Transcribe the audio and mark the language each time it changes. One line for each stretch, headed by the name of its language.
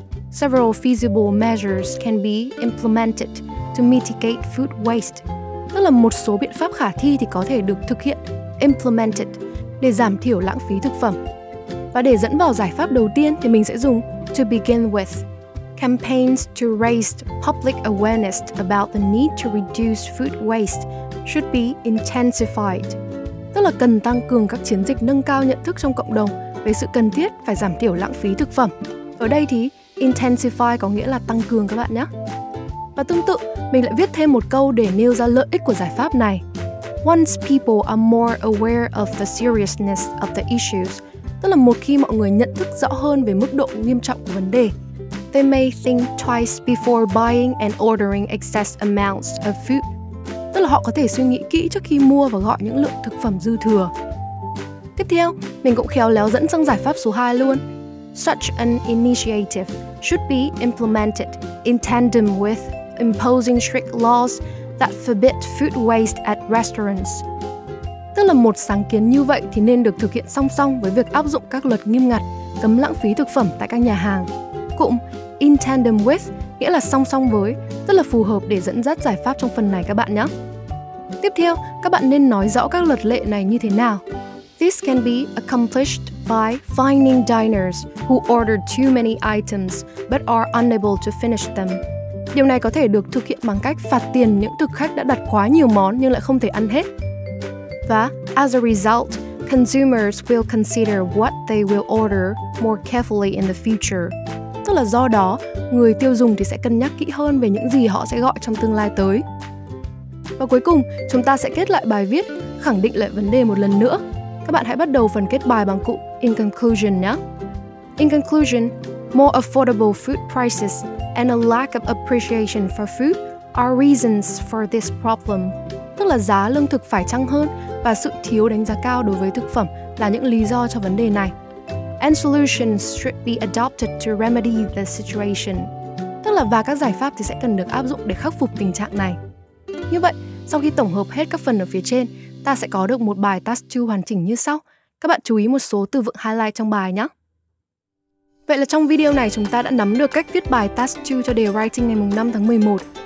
English: Several feasible measures can be implemented to mitigate food waste.
Vietnamese: Tức là một số biện pháp khả thi thì có thể được thực hiện, implemented, để giảm thiểu lãng phí thực phẩm. Và để dẫn vào giải pháp đầu tiên thì mình sẽ dùng
English: to begin with. Campaigns to raise public awareness about the need to reduce food waste should be intensified.
Vietnamese: Tức là cần tăng cường các chiến dịch nâng cao nhận thức trong cộng đồng về sự cần thiết phải giảm thiểu lãng phí thực phẩm. Ở đây thì intensify có nghĩa là tăng cường các bạn nhé. Và tương tự, mình lại viết thêm một câu để nêu ra lợi ích của giải pháp này.
English: Once people are more aware of the seriousness of the issues,
Vietnamese: tức là một khi mọi người nhận thức rõ hơn về mức độ nghiêm trọng của vấn đề,
English: they may think twice before buying and ordering excess amounts of food.
Vietnamese: Tức là họ có thể suy nghĩ kỹ trước khi mua và gọi những lượng thực phẩm dư thừa. Tiếp theo, mình cũng khéo léo dẫn sang giải pháp số 2 luôn.
English: Such an initiative should be implemented in tandem with imposing strict laws that forbid food waste at restaurants.
Vietnamese: Tức là một sáng kiến như vậy thì nên được thực hiện song song với việc áp dụng các luật nghiêm ngặt cấm lãng phí thực phẩm tại các nhà hàng. Cụm
English: in tandem with
Vietnamese: nghĩa là song song với, tức là phù hợp để dẫn dắt giải pháp trong phần này các bạn nhé. Tiếp theo, các bạn nên nói rõ các luật lệ này như thế nào.
English: This can be accomplished by fining diners who ordered too many items but are unable to finish them.
Vietnamese: Điều này có thể được thực hiện bằng cách phạt tiền những thực khách đã đặt quá nhiều món nhưng lại không thể ăn hết.
English: Và as a result, consumers will consider what they will order more carefully in the future.
Vietnamese: Tức là do đó, người tiêu dùng thì sẽ cân nhắc kỹ hơn về những gì họ sẽ gọi trong tương lai tới. Và cuối cùng, chúng ta sẽ kết lại bài viết, khẳng định lại vấn đề một lần nữa. Các bạn hãy bắt đầu phần kết bài bằng cụm
English: in conclusion
Vietnamese: nhé.
English: In conclusion, more affordable food prices and a lack of appreciation for food are reasons for this problem.
Vietnamese: Tức là giá lương thực phải chăng hơn và sự thiếu đánh giá cao đối với thực phẩm là những lý do cho vấn đề này.
English: And solutions should be adopted to remedy the situation.
Vietnamese: Tức là và các giải pháp thì sẽ cần được áp dụng để khắc phục tình trạng này. Như vậy, sau khi tổng hợp hết các phần ở phía trên, ta sẽ có được một bài task 2 hoàn chỉnh như sau. Các bạn chú ý một số từ vựng highlight trong bài nhé. Vậy là trong video này chúng ta đã nắm được cách viết bài task 2 cho đề writing ngày 5 tháng 11.